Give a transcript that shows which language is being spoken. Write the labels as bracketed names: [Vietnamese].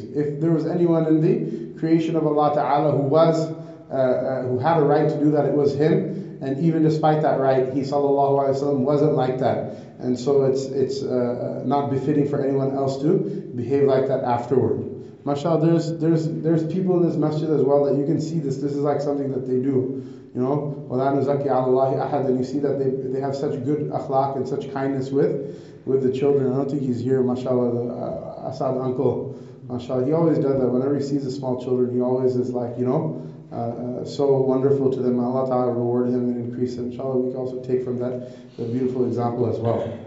[English] If there was anyone in the creation of Allah ta'ala who had a right to do that, it was him. And even despite that right, he sallallahu alayhi wa sallam wasn't like that. And so it's not befitting for anyone else to behave like that afterward. MashaAllah, there's people in this masjid as well that you can see this. This is like something that they do. You know, [Arabic] وَلَا نُزَكِّي عَلَى اللَّهِ أَحَدٍ. [English] And you see that they have such good akhlaq and such kindness with the children. I don't think he's here, MashaAllah, the Asad uncle. MashaAllah, he always does that. Whenever he sees the small children, he always is like, you know, so wonderful to them. Allah Ta'ala reward him and increase him. Inshallah, we can also take from that the beautiful example as well.